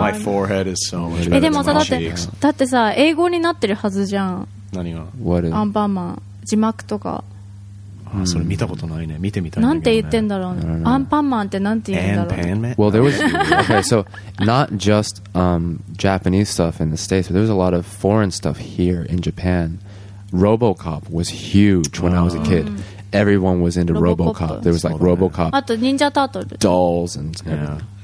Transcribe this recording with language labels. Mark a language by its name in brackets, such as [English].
[English] My forehead is so much better than my cheeks. [Japanese] だってさ、英語になってるはずじゃん。何が? [English] What is? [Japanese] アンパンマン、字幕とか。それ見たことないね。見てみたいな。なんて言ってんだろうね。アンパンマンってなんて言うんだろう。 [English] Well, there was... Okay, so not just Japanese stuff in the States, but there was a lot of foreign stuff here in Japan. RoboCop was huge when I was a kid. Everyone was into RoboCop. There was like RoboCop. [Japanese] あと、Ninja Turtles. [English] Dolls and everything.